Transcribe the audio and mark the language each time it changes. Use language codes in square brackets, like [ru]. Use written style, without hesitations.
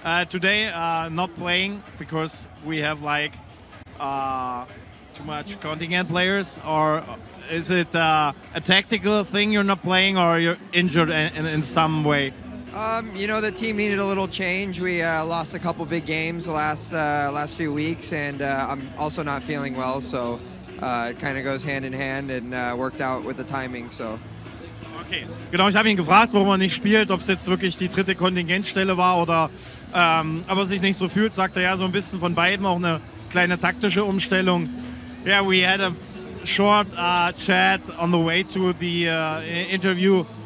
[en] Today, not playing because we have like too much contingent players, or is it a tactical thing you're not playing, or you're injured in some way? You know, the team needed a little change. We lost a couple big games the last few weeks, and I'm also not feeling well, so it kind of goes hand in hand and worked out with the timing. So. Okay. [de] Genau, ich habe ihn gefragt, warum er nicht spielt, ob es jetzt wirklich die dritte Kontingentstelle war oder aber sich nicht so fühlt, sagt er ja, so ein bisschen von beiden, auch eine kleine taktische Umstellung. [en] Yeah, we had a short chat on the way to the interview.